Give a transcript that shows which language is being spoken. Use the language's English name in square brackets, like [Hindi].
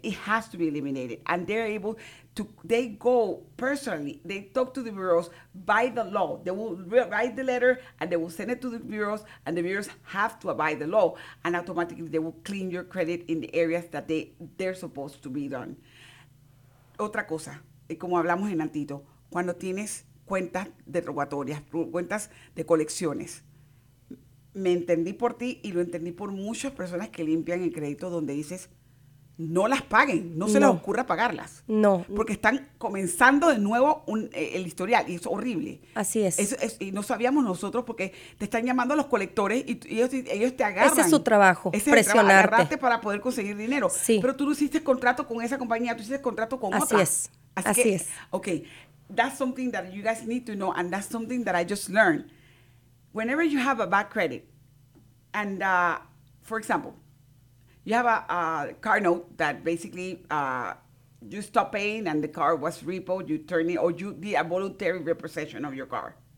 [English] It has to be eliminated. And they're able to, they go personally, they talk to the bureaus by the law. They will write the letter and they will send it to the bureaus, and the bureaus have to abide the law, and automatically they will clean your credit in the areas that they're supposed to be done. [Spanish] Otra cosa, y como hablamos en antito, cuando tienes cuentas derogatorias, cuentas de colecciones, me entendí por ti y lo entendí por muchas personas que limpian el crédito donde dices, no las paguen, no se les ocurra pagarlas. No. Porque están comenzando de nuevo el historial y es horrible. Así es. Y no sabíamos nosotros porque te están llamando a los colectores y ellos te agarran. Ese es su trabajo, presionarte. Agarrarte para poder conseguir dinero. Sí. Pero tú no hiciste contrato con esa compañía, tú hiciste contrato con otra. Así es. [English] Ok, that's something that you guys need to know, and that's something that I just learned. Whenever you have a bad credit, and for example, you have a car note that basically you stop paying and the car was repoed, you turn it, or you did a voluntary repossession of your car.